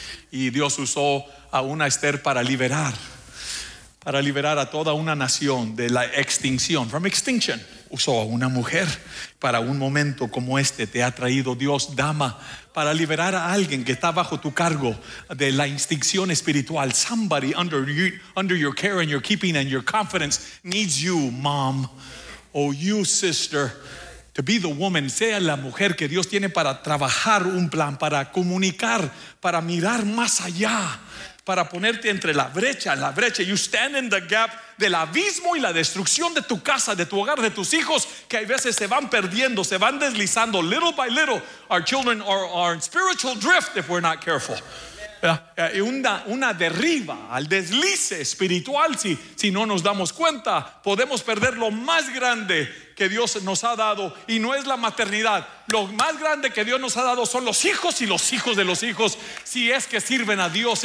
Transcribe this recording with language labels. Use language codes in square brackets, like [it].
[es] Y Dios usó a una Esther para liberar a toda una nación de la extinción, [en] from extinction. [es] Usó a una mujer para un momento como este. Te ha traído Dios, dama, para liberar a alguien que está bajo tu cargo de la extinción espiritual. [en] Somebody under your care and your keeping and your confidence needs you, mom, or you, sister, to be the woman. [es] Sea la mujer que Dios tiene para trabajar un plan, para comunicar, para mirar más allá, para ponerte entre la brecha. [en] You stand in the gap [es] del abismo y la destrucción de tu casa, de tu hogar, de tus hijos, que a veces se van perdiendo, se van deslizando. [en] Little by little, our children are in spiritual drift if we're not careful. [es] Y una derriba al deslice espiritual, si no nos damos cuenta, podemos perder lo más grande que Dios nos ha dado. Y no es la maternidad, Lo más grande que Dios nos ha dado son los hijos y los hijos de los hijos, si es que sirven a Dios.